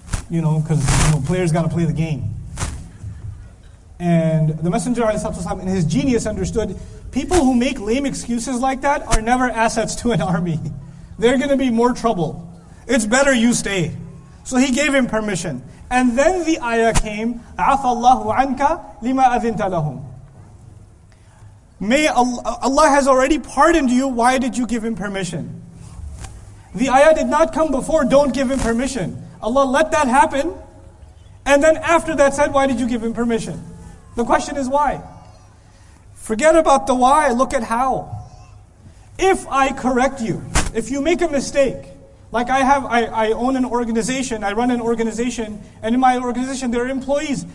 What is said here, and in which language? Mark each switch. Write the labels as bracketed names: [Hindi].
[English] You know, because you know, players got to play the game. And the Messenger in his genius understood, people who make lame excuses like that are never assets to an army. They're going to be more trouble. It's better you stay. So he gave him permission. And then the ayah came, [Arabic] عَفَ اللَّهُ عَنْكَ لِمَا أَذِنْتَ لَهُمْ. [English] May Allah has already pardoned you, why did you give him permission? The ayah did not come before, don't give him permission. Allah let that happen, and then after that said, why did you give him permission? The question is why? Forget about the why, look at how. If I correct you, if you make a mistake, like I own an organization, I run an organization, and in my organization there are employees.